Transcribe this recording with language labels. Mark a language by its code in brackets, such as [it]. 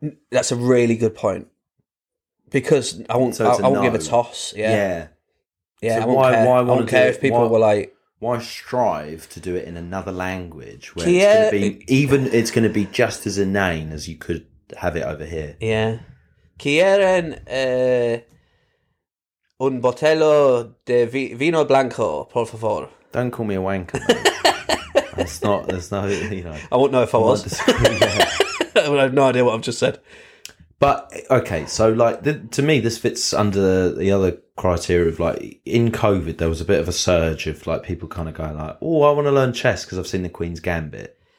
[en] That's a really good point. Because I won't, I won't give a toss. Yeah. Yeah. Yeah, so I won't care if people were like, why strive to do it in another language where yeah, it's going to be even, it's going to be just as inane as you could have it over here. Yeah. [es] Quieren un botello de vino blanco, por favor. [en] Don't call me a wanker. That's not, there's no, you know. I won't know if I was. I have no idea what I've just said. But, okay, so, like, to me, this fits under the other criteria of, like, in COVID, there was a bit of a surge of, like, people kind of going, like, oh, I want to learn chess because I've seen the Queen's Gambit.